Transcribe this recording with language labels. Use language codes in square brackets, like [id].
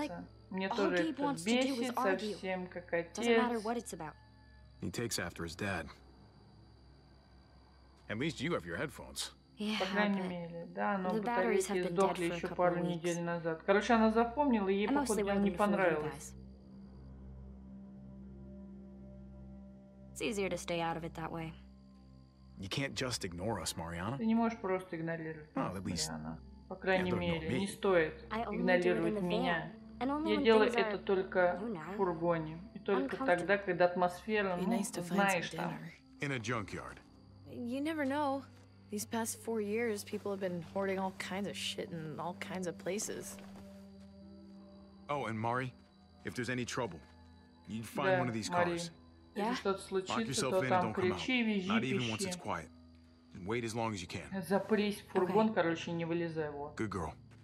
[ru] Like мне тоже это бесит совсем, как отец. [en] He takes after his dad. At least you have your headphones. [ru] Yeah, по крайней мере, да, но батарейки сдохли еще пару weeks. Недель назад. Короче, она запомнила, ей, походу, не понравилось. [en] It's easier to stay out of it that way. You can't just ignore us, Mariana. [ru] Ты не можешь просто игнорировать нас, Mariana. По крайней мере, не стоит игнорировать меня. Я делаю это только в фургоне. И только тогда, когда атмосфера, ну, ты знаешь там. [en] In a junkyard. You never know. These past four years, people have been hoarding all kinds of shit in all kinds of places. Oh, and Mari, if there's any trouble, you'd find one of these cars. [ru] Если что-то случится, то там кричи, визжи, пищи. [en] Wait as long as you can. [ru] Запрись в фургон, okay. Короче, не вылезай его. [en] Good girl.